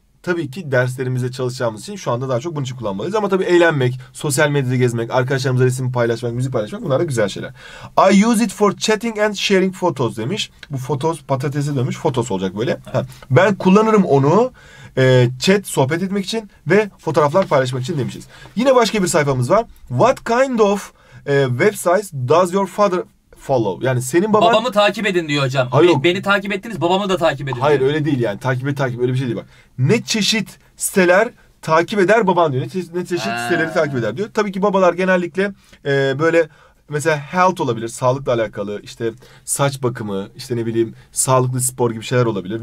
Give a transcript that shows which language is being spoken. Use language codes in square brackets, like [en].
[tr] Tabii ki derslerimizde çalışacağımız için şu anda daha çok bunun için kullanmalıyız. Ama tabii eğlenmek, sosyal medyada gezmek, arkadaşlarımızla resim paylaşmak, müzik paylaşmak, bunlar da güzel şeyler. [en] I use it for chatting and sharing photos [tr] demiş. Bu [en] photos [tr] patatese dönmüş, [en] photos [tr] olacak böyle. Evet. Ben kullanırım onu chat, sohbet etmek için ve fotoğraflar paylaşmak için demişiz. Yine başka bir sayfamız var. [en] What kind of websites does your father follow? [tr] Yani senin baban... Babamı takip edin diyor hocam. Hayır, beni takip ettiniz, babamı da takip edin. Hayır diyor. Öyle değil yani. Takip et, takip, öyle bir şey değil bak. Ne çeşit siteler takip eder baban diyor. Ne çeşit siteleri takip eder diyor. Tabii ki babalar genellikle böyle mesela health olabilir, sağlıkla alakalı, işte saç bakımı, işte ne bileyim sağlıklı spor gibi şeyler olabilir.